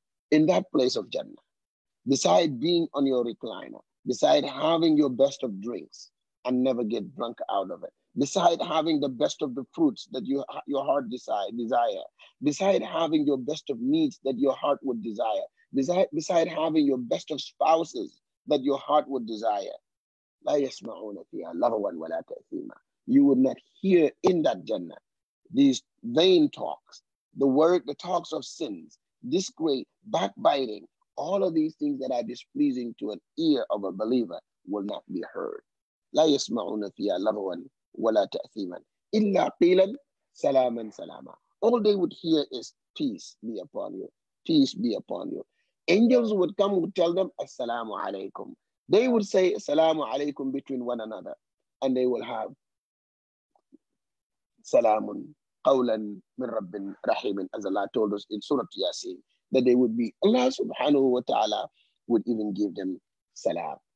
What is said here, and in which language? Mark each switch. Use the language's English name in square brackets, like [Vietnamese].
[English] In that place of Jannah, beside being on your recliner, beside having your best of drinks and never get drunk out of it, beside having the best of the fruits that your heart desire, beside having your best of meats that your heart would desire, beside having your best of spouses that your heart would desire, [Arabic] لا يسمعون فيها لغوان ولا تأثيما. [English] You would not hear in that Jannah these vain talks, the talks of sins, disgrace, backbiting, all of these things that are displeasing to an ear of a believer will not be heard. [Arabic] لا يسمعون فيها لغوان ولا تأثيماً إلا قيلاً سلاماً سلاماً. [English] All they would hear is peace be upon you, peace be upon you. Angels would come and tell them السلام عليكم. They would say السلام عليكم between one another, and they will have سلام [Arabic] qawlan min rabbin rahimin, [English] as Allah told us in Surah Yasin, that they would be, Allah subhanahu wa ta'ala would even give them salam.